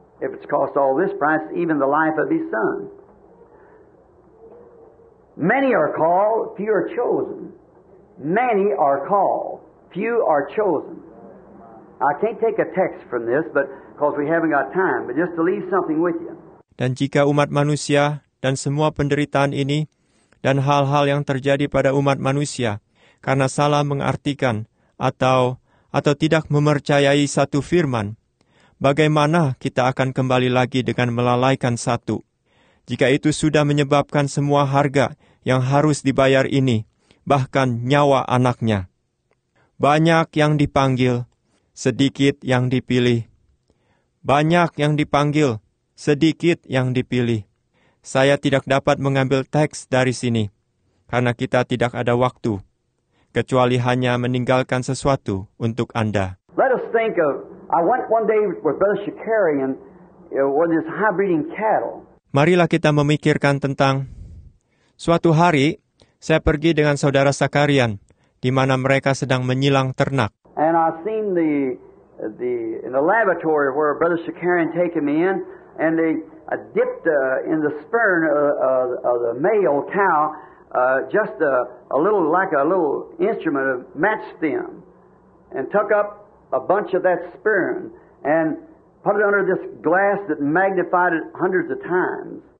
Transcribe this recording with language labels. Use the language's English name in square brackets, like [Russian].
[English] If it's cost all this price, even the life of his son. Many are called, few are chosen. Many are called, few are chosen. I can't take a text from this, but because we haven't got time, but just to leave something with you. [Indonesian] Dan jika umat manusia dan semua penderitaan ini dan hal-hal yang terjadi pada umat manusia karena salah mengartikan atau tidak mempercayai satu firman, bagaimana kita akan kembali lagi dengan melalaikan satu? Jika itu sudah menyebabkan semua harga yang harus dibayar ini, bahkan nyawa anaknya. Banyak yang dipanggil, sedikit yang dipilih. Banyak yang dipanggil, sedikit yang dipilih. Saya tidak dapat mengambil teks dari sini, karena kita tidak ada waktu, kecuali hanya meninggalkan sesuatu untuk Anda. [English] Let us think of, I went one day with Brother Shikari and with his high breeding cattle. [Indonesian] Marilah kita memikirkan tentang suatu hari saya pergi dengan saudara Sakarian di mana mereka sedang menyilang ternak. [English] And I seen the laboratory where Brother Sakarian taken me in, and they dipped in the sperm of the male cow just a little like a little instrument of match stem, and took up a bunch of that sperm and put it under this glass that magnified it hundreds of times.